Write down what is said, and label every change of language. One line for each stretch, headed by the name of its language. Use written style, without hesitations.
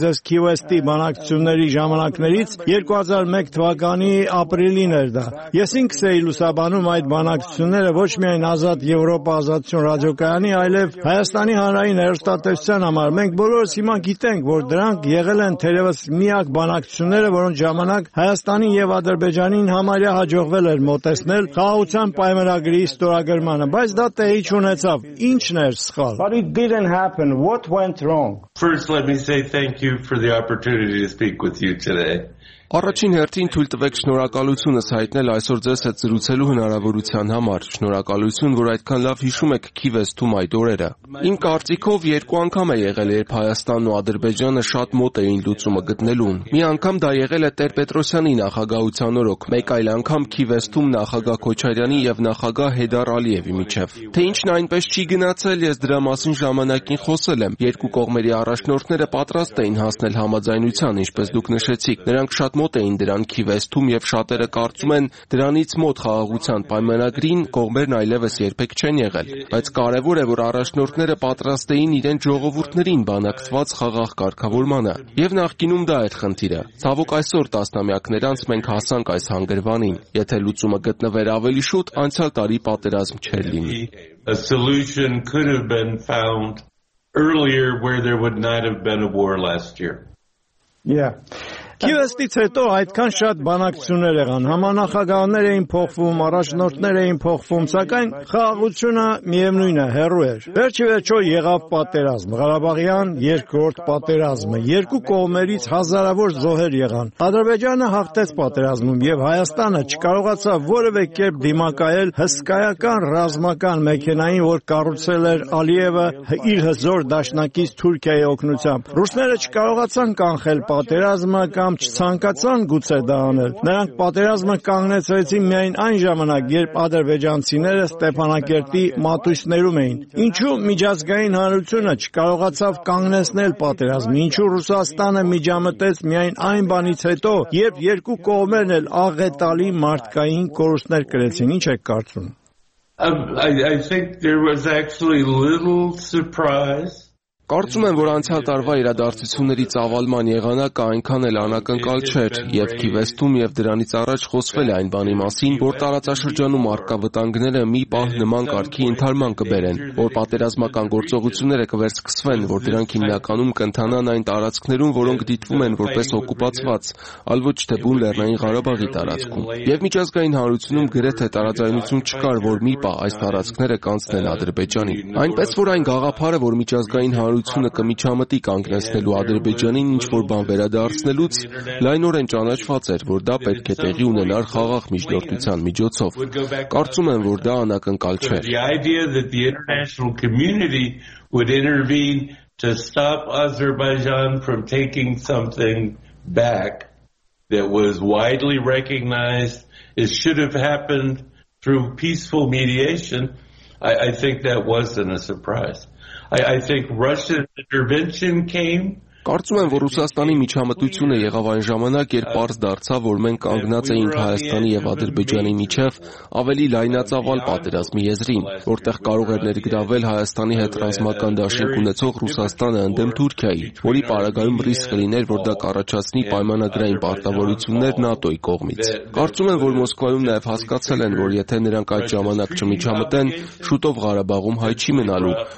Armenian: ուզես Key West-ի բանակցությունների ժամանակներից 2001 թվականի ապրիլին էր դա։ Ես ինքս էի լուսաբանում այդ բանակցությունները ոչ միայն Ազատ Եվրոպա Ազատություն ռադիոկայանի, այլև Հայաստանի Հանրային Հեռուստատեսության համար։ Մենք բոլորս հիմա գիտենք, որ դրանք եղել են թերևս միակ բանակցությունները, որոնց ժամանակ Հայաստանի եւ Ադրբեջանի համարյա հաջողվել էր մոտեցնել Խաղաղության պայմանագրի ստորագրմանը, բայց դա տեղի չունեցավ։ Ինչն էր սխալ։
English: What went wrong? First, let me say thank you for the opportunity to speak with you today.
Armenian: Առաջին հերթին թույլ տվեք շնորհակալությունս հայտնել այսօր ձեզ հետ զրուցելու հնարավորության համար։ Շնորհակալություն, որ այդքան լավ հիշում եք Key West-ում այդ օրերը։ Իմ կարծիքով երկու անգամ է եղել, երբ Հայաստանն ու Ադրբեջանը շատ մոտ էին լուծումը գտնելուն։ Մի անգամ դա եղել է Տեր Պետրոսյանի նախագահության օրոք, մեկ այլ անգամ Key West-ում նախագահ Քոչարյանի եւ նախագահ Հեդար Ալիևի միջև։ Թե ինչն այնպես չի գնացել, ես դրա մասին ժամանակին խոսել եմ։ Երկու կողմերի առաջնորդները պատրաստ էին հասնել համաձայնության, ինչպես դուք նշեցիք։ Նրանք շատ մոտ էին դրան Key West-ում եւ շատերը կարծում են դրանից մոտ խաղաղության պայմանագրին կողմերն այլևս երբեք չեն եղել, բայց կարևոր է, որ առաջնորդները պատրաստ էին իրեն ժողովուրդներին բանակցված խաղաղ կարգավորմանը, եւ նախկինում դա էր խնդիրը։ Ցավոք այսօր տասնամյակներ անց մենք հասանք այս հանգրվանին, եթե լուծումը գտնվեր ավելի շուտ, անցյալ տարի պատերազմ չէր լինի։
English: A solution could have been found earlier where there would not have been a war last year. Yeah.
Armenian: Key West-ից հետո այդքան շատ բանակցություններ եղան, համանախագահներ էին փոխվում, առաջնորդներ էին փոխվում, սակայն խաղաղությունը միևնույն է, հեռու էր։ Վերջիվերջո եղավ պատերազմ, Ղարաբաղյան երկրորդ պատերազմը, երկու կողմերից հազարավոր զոհեր եղան։ Ադրբեջանը հաղթեց պատերազմում եւ Հայաստանը չկարողացավ որևէ կերպ դիմակայել հսկայական ռազմական մեխանիզմին, որ կառուցել էր Ալիևը իր հզոր դաշնակից Թուրքիայի օգնությամբ։ Ռուսները չկարողացան կանխել պատերազմը կամ չցանկացան գուցե դա անել։ Նրանք պատերազմը կանգնեցրեցին միայն այն ժամանակ, երբ ադրբեջանցիները Ստեփանակերտի մատույցներում էին։ Ինչու միջազգային հանրությունը չկարողացավ կանգնեցնել պատերազմը, ինչու Ռուսաստանը միջամտեց միայն այն բանից հետո, երբ երկու կողմերն էլ աղետալի մարդկային կորուստներ կրեցին, ինչ եք կարծում։
English: I think there was actually little surprise.
Armenian: Կարծում եմ, որ անցյալ տարվա իրադարձությունների ծավալման եղանակը այնքան էլ անակնկալ չէր, եւ Key West-ում եւ դրանից առաջ խոսվել է այն բանի մասին, որ տարածաշրջանում առկա վտանգները մի պահ նման կարգի ընդհարման կբերեն, որ պատերազմական գործողությունները կվերսկսվեն, որ դրանք հիմնականում կընթանան այն տարածքներում, որոնք դիտվում են որպես օկուպացված, այլ ոչ թե բուն Լեռնային Ղարաբաղի տարածքում։ Եվ միջազգային հանրությունում գրեթե տարաձայնություն չկար, որ մի պահ այս տարածքները կանցնեն Ադրբեջանի։ Այնպես որ այն գաղափարը, որ միջազգային հարությունը կմիջամտի կանգնեցնելու Ադրբեջանին ինչ որ բան վերադարձնելուց, լայնորեն ճանաչված էր, որ դա պետք է տեղի ունենար խաղաղ միջնորդության միջոցով։ Կարծում եմ, որ դա անակնկալ չէ։
English: The idea that the international community would intervene to stop Azerbaijan from taking something back that was widely recognized, it should have happened through peaceful mediation. I think that wasn't a surprise. I think Russian intervention came.
Armenian: Կարծում եմ, որ Ռուսաստանի միջամտությունը եղավ այն ժամանակ, երբ պարզ դարձավ, որ մենք կանգնած էինք Հայաստանի եւ Ադրբեջանի միջև ավելի լայնածավալ պատերազմի եզրին, որտեղ կարող էր ներգրավել Հայաստանի հետ ռազմական դաշինք ունեցող Ռուսաստանը ընդդեմ Թուրքիայի, որի պարագայում ռիսկ լիներ, որ դա կառաջացնի պայմանագրային պարտավորություններ ՆԱՏՕ-ի կողմից։ Կարծում եմ, որ Մոսկվայում նաեւ հասկացել են, որ եթե նրանք այդ ժամանակ չմիջամտեն, շուտով Ղարաբաղում հայ չի մնալու,